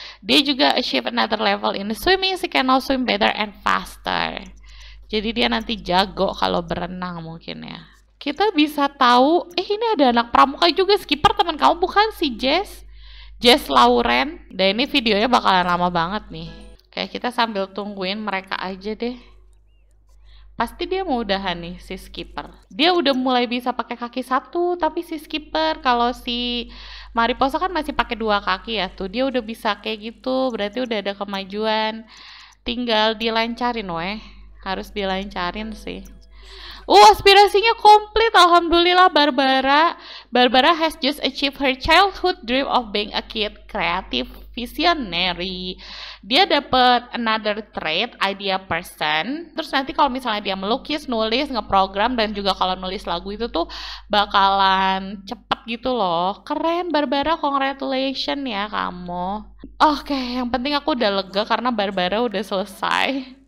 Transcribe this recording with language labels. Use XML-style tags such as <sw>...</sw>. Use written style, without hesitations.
<id>Dia juga</id> <en>achieve another level in swimming, she can now swim better and faster.</en> <id>Jadi dia nanti jago kalau berenang mungkin ya. Kita bisa tahu, eh ini ada anak pramuka juga, skipper teman kamu bukan si Jess? Jess Lauren, dan ini videonya bakalan lama banget nih. Kayak kita sambil tungguin mereka aja deh. Pasti dia mau udahan nih si skipper. Dia udah mulai bisa pakai kaki satu, tapi si skipper kalau si Mariposa kan masih pakai dua kaki ya tuh. Dia udah bisa kayak gitu, berarti udah ada kemajuan. Tinggal dilancarin weh. Harus dilancarin sih. Aspirasinya komplit, alhamdulillah Barbara.</id> <en>Barbara has just achieved her childhood dream of being a kid creative visionary.</en> <id>Dia dapat</id> <en>another trait, idea person.</en> <id>Terus nanti kalau misalnya dia melukis, nulis, ngeprogram, dan juga kalau nulis lagu itu tuh bakalan cepet gitu loh. Keren, Barbara, congratulations ya kamu. Oke, yang penting aku udah lega karena Barbara udah selesai.</id>